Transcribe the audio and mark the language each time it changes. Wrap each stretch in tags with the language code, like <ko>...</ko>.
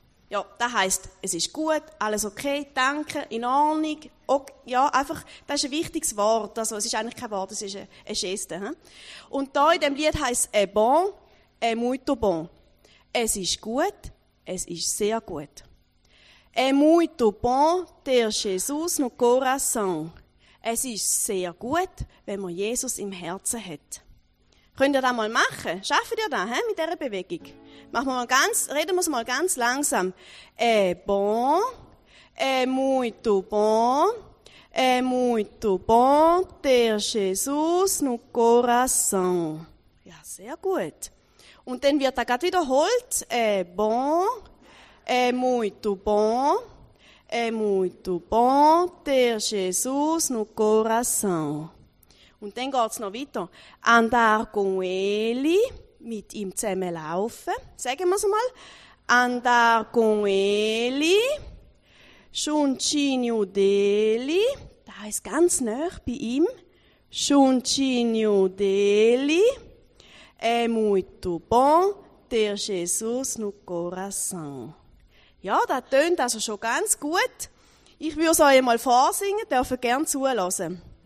<de>Ja, das heisst, es ist gut, alles okay, danke, in Ordnung. Okay, ja, einfach, das ist ein wichtiges Wort. Also, es ist eigentlich kein Wort, es ist eine Geste. He? Und da in diesem Lied heisst es</de> <pt>bon, muito bon.</pt> <de>Es ist gut, es ist sehr gut.</de> <pt>Muito bon ter Jesus no coração.</pt> <de>Es ist sehr gut, wenn man Jesus im Herzen hat. Könnt ihr das mal machen? Schafft ihr das mit dieser Bewegung? Reden wir es mal ganz langsam.</de> <pt>Bon, muito bon, muito bon ter Jesus no coração.</pt> <de>Ja, sehr gut. Und dann wird er gerade wiederholt.</de> <pt>Bon, muito bon, der Jesus no coração.</pt> <de>Und dann geht es noch weiter.</de> <pt>Andar com ele,</pt> <de>mit ihm zusammen laufen. Sagen wir es mal.</de> <pt>Andar com ele, juntinho dele,</pt> <de>da ist ganz nah bei ihm.</de> <pt>Juntinho dele, é muito bom ter Jesus no coração.</pt> <de>Ja, das tönt also schon ganz gut. Ich würde es euch mal vorsingen, dürft ihr gerne zuhören.</de>